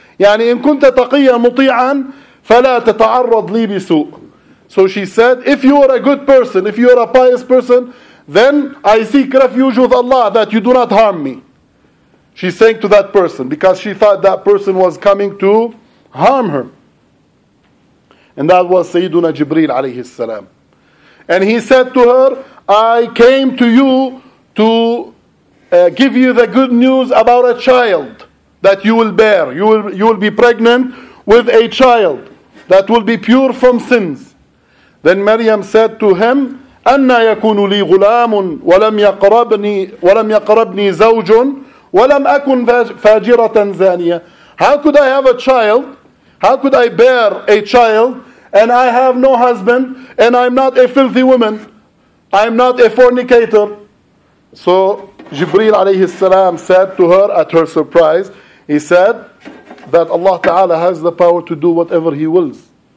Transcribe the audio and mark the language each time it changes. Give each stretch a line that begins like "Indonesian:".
Arabic: يعني إن كنت تقيا مطيعا فلا تتعرض لي بسوء.
English: So she said, if you are a good person, if you are a pious person, then I seek refuge with Allah that you do not harm me. She's saying to that person because she thought that person was coming to harm her. And that was Sayyiduna Jibreel alayhi salam. And he said to her, I came to you to give you the good news about a child that you will bear. You will be pregnant with a child that will be pure from sins. Then Maryam said to him,
Arabic: أَنَّا يَكُونُ لِي غُلَامٌ وَلَمْ يَقْرَبْنِي زَوْجٌ وَلَمْ أَكُنْ فَاجِرَةً زَانِيَةً.
English: How could I have a child? How could I bear a child? And I have no husband, and I'm not a filthy woman. I'm not a fornicator. So Jibreel alayhi salam said to her, at her surprise, he said that Allah Ta'ala has the power to do whatever He wills.